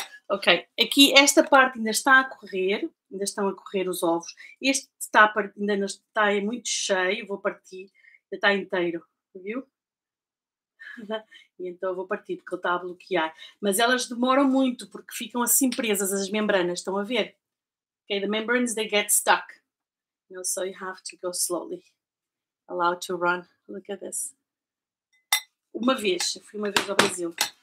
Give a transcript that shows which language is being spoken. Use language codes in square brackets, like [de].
[pt] Ok, aqui esta parte ainda está a correr, ainda estão a correr os ovos. Este está, ainda não está, é muito cheio, vou partir, ainda está inteiro, viu? E então eu vou partir, porque ele está a bloquear. Mas elas demoram muito, porque ficam assim presas as membranas, estão a ver? [en] Okay, the membranes, they get stuck. You know, so you have to go slowly. Allow to run. Look at this. [pt] Uma vez, eu fui uma vez ao Brasil.